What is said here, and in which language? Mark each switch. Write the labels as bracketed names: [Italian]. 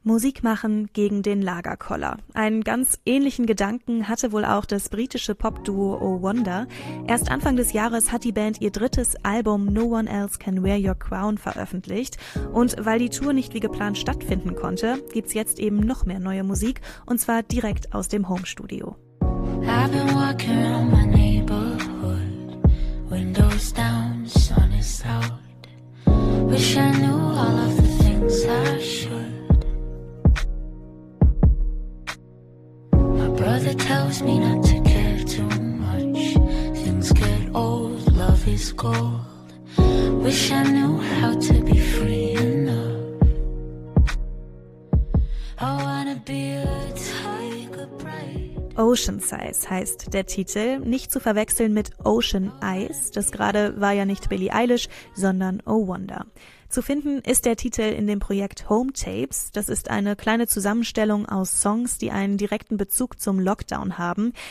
[German] Musik machen gegen den Lagerkoller. Einen ganz ähnlichen Gedanken hatte wohl auch das britische Popduo Oh Wonder. Erst Anfang des Jahres hat die Band ihr drittes Album No One Else Can Wear Your Crown veröffentlicht. Und weil die Tour nicht wie geplant stattfinden konnte, gibt's jetzt eben noch mehr neue Musik. Und zwar direkt aus dem Homestudio. [English] I've been walking on my neighborhood. Windows down, sun is out. Wish I knew all of the things I should. My brother tells me not to care too much. Things get old, love is gold. Wish I knew how to be free enough. I wanna be a tiger bright. [German] Ocean Size heißt der Titel, nicht zu verwechseln mit Ocean Eyes, das gerade war ja nicht Billie Eilish, sondern Oh Wonder. Zu finden ist der Titel in dem Projekt Home Tapes. Das ist eine kleine Zusammenstellung aus Songs, die einen direkten Bezug zum Lockdown haben.